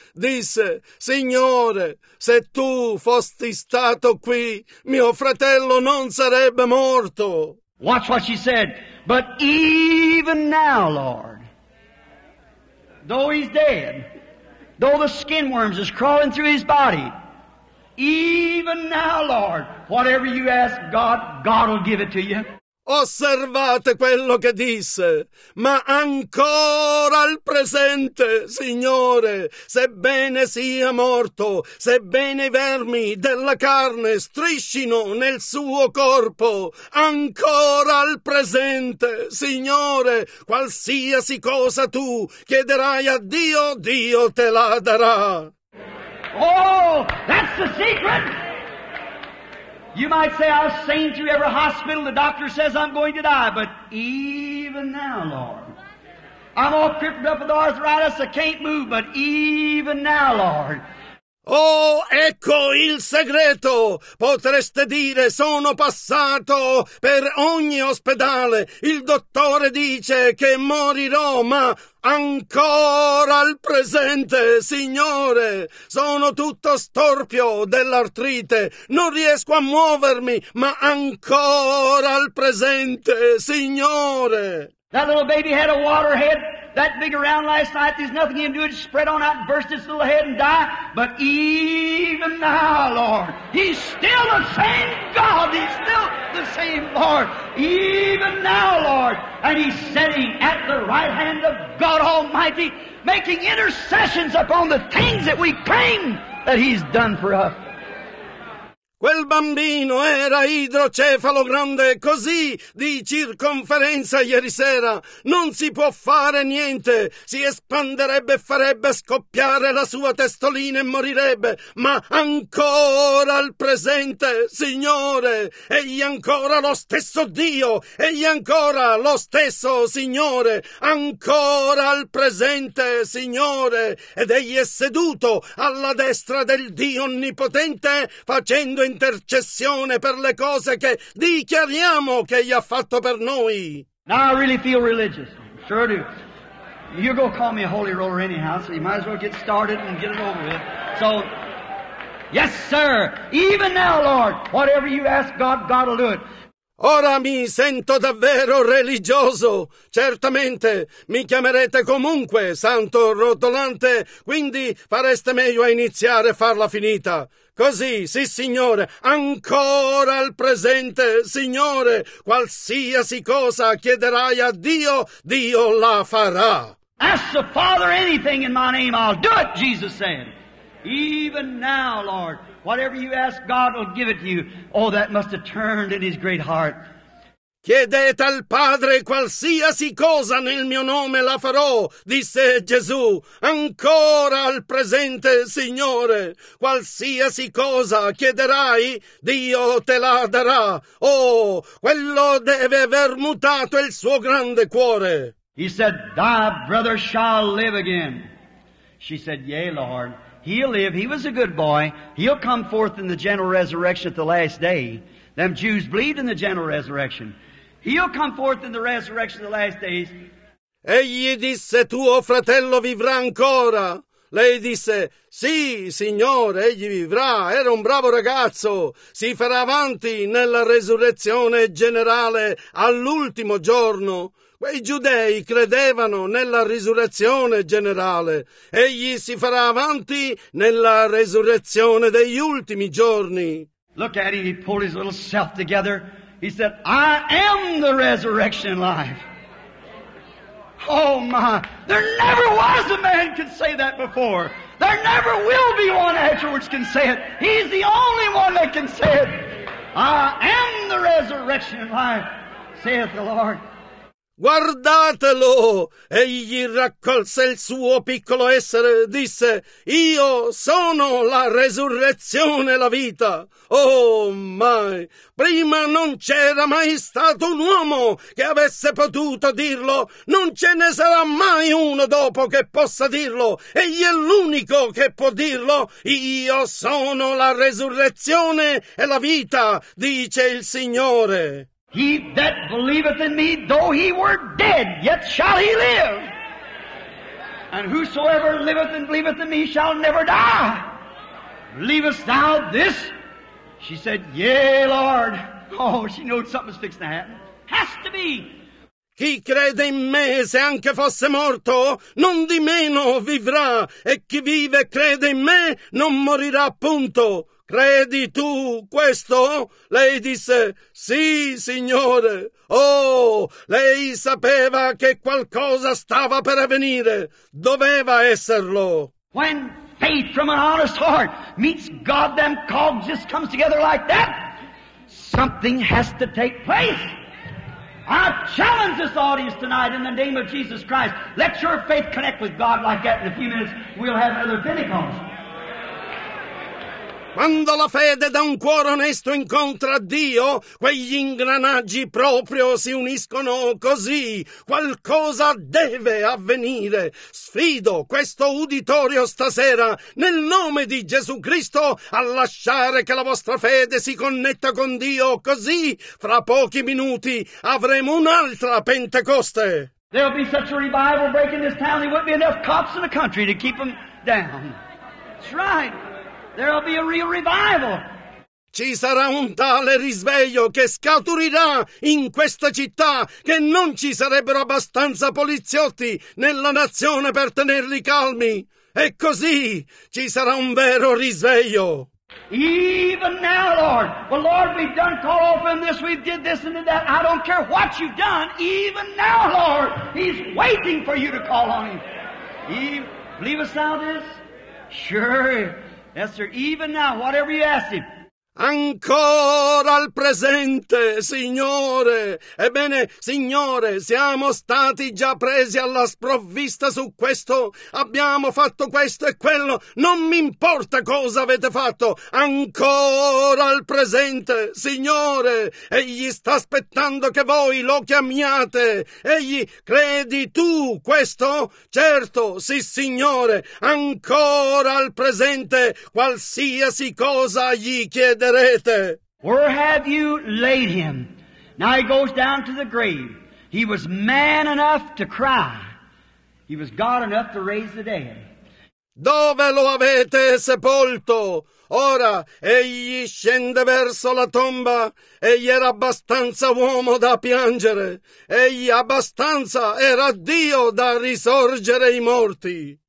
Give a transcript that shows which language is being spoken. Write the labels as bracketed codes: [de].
[it] Disse, Signore, se tu fosti stato qui, mio fratello non sarebbe morto. [en] Watch what she said, but even now, Lord, though he's dead, though the skin worms is crawling through his body, even now, Lord, whatever you ask God, God will give it to you. [it] Osservate quello che disse, ma ancora al presente, Signore, sebbene sia morto, sebbene i vermi della carne striscino nel suo corpo, ancora al presente, Signore, qualsiasi cosa tu chiederai a Dio, Dio te la darà. [en] Oh, that's the secret! You might say, I've seen through every hospital, the doctor says I'm going to die, but even now, Lord, I'm all crippled up with arthritis, I can't move, but even now, Lord. [it] Oh, ecco il segreto! Potreste dire, sono passato per ogni ospedale, il dottore dice che morirò, ma ancora al presente, Signore, sono tutto storpio dell'artrite, non riesco a muovermi, ma ancora al presente, Signore. [en] That little baby had a water head that big around last night. There's nothing he can do. It spread on out and burst its little head and die. But even now, Lord, he's still the same God. He's still the same Lord. Even now, Lord. And he's sitting at the right hand of God Almighty, making intercessions upon the things that we claim that he's done for us. [it] Quel bambino era idrocefalo grande, così di circonferenza ieri sera. Non si può fare niente, si espanderebbe e farebbe scoppiare la sua testolina e morirebbe. Ma ancora al presente, Signore, egli ancora lo stesso Dio, egli ancora lo stesso Signore, ancora al presente, Signore, ed egli è seduto alla destra del Dio Onnipotente, facendo intercessione per le cose che dichiariamo che gli ha fatto per noi. [en] Now I really feel religious. Sure do. You're gonna call me a holy roller anyhow, so you might as well get started and get it over with. So, yes sir, even now Lord, whatever you ask God, God will do it. [it] Ora mi sento davvero religioso. Certamente mi chiamerete comunque santo rotolante, quindi fareste meglio a iniziare e farla finita. Così, sì signore, ancora al presente, signore, qualsiasi cosa chiederai a Dio, Dio la farà. [en] Ask the Father anything in my name, I'll do it, Jesus said. Even now, Lord, whatever you ask, God will give it to you. Oh, that must have turned in his great heart. [it] Chiedete al Padre qualsiasi cosa nel mio nome la farò, disse Gesù, ancora al presente, Signore. Qualsiasi cosa chiederai, Dio te la darà. Oh, quello deve aver mutato il suo grande cuore. [en] He said, thy brother shall live again. She said, yea, Lord, he'll live. He was a good boy. He'll come forth in the general resurrection at the last day. Them Jews believed in the general resurrection. He'll come forth in the resurrection of the last days. [it] Egli disse, tuo fratello vivrà ancora. Lei disse, sì, signore, egli vivrà. Era un bravo ragazzo. Si farà avanti nella resurrezione generale all'ultimo giorno. Quei giudei credevano nella risurrezione generale. Egli si farà avanti nella resurrezione degli ultimi giorni. [en] Look at him, he pulled his little self together. He said, I am the resurrection life. Oh my, there never was a man could say that before. There never will be one afterwards can say it. He's the only one that can say it. I am the resurrection life, saith the Lord. [it] Guardatelo! Egli raccolse il suo piccolo essere e disse, io sono la resurrezione e la vita. Oh mai! Prima non c'era mai stato un uomo che avesse potuto dirlo. Non ce ne sarà mai uno dopo che possa dirlo. Egli è l'unico che può dirlo. Io sono la resurrezione e la vita, dice il Signore. [en] He that believeth in me, though he were dead, yet shall he live. And whosoever liveth and believeth in me shall never die. Believest thou this? She said, yea, Lord. Oh, she knows something's fixed to happen. Has to be. [it] Chi crede in me, se anche fosse morto, non di meno vivrà. E chi vive e crede in me, non morirà appunto. Credi tu questo? Lei disse, sì, signore. Oh, lei sapeva che qualcosa stava per avvenire. Doveva esserlo. [en] When faith from an honest heart meets God, them cogs just comes together like that. Something has to take place. I challenge this audience tonight in the name of Jesus Christ. Let your faith connect with God like that. In a few minutes, we'll have another Pentecost. [it] Quando la fede da un cuore onesto incontra Dio, quegli ingranaggi proprio si uniscono così. Qualcosa deve avvenire. Sfido questo uditorio stasera, nel nome di Gesù Cristo, a lasciare che la vostra fede si connetta con Dio così. Fra pochi minuti avremo un'altra Pentecoste. [en] There'll be such a revival breaking this town, there wouldn't be enough cops in the country to keep them down. That's right. There'll be a real revival. [it] ci sarà un tale risveglio che scaturirà in questa città che non ci sarebbero abbastanza poliziotti nella nazione per tenerli calmi. E così ci sarà un vero risveglio. [en] Even now, Lord. Well, Lord, we've done call open this, we did this and did that. I don't care what you've done. Even now, Lord, he's waiting for you to call on him. Believest thou this? Sure. Yes, sir. Even now, whatever you ask him. [it] Ancora al presente, Signore. Ebbene, Signore, siamo stati già presi alla sprovvista su questo. Abbiamo fatto questo e quello. Non mi importa cosa avete fatto. Ancora al presente, Signore. Egli sta aspettando che voi lo chiamiate. Egli, credi tu questo? Certo, sì, Signore. Ancora al presente, qualsiasi cosa gli chiederete. [en] Where have you laid him? Now he goes down to the grave. He was man enough to cry. He was God enough to raise the dead. [it] Dove lo avete sepolto? Ora egli scende verso la tomba. Egli era abbastanza uomo da piangere. Egli abbastanza era Dio da risorgere i morti.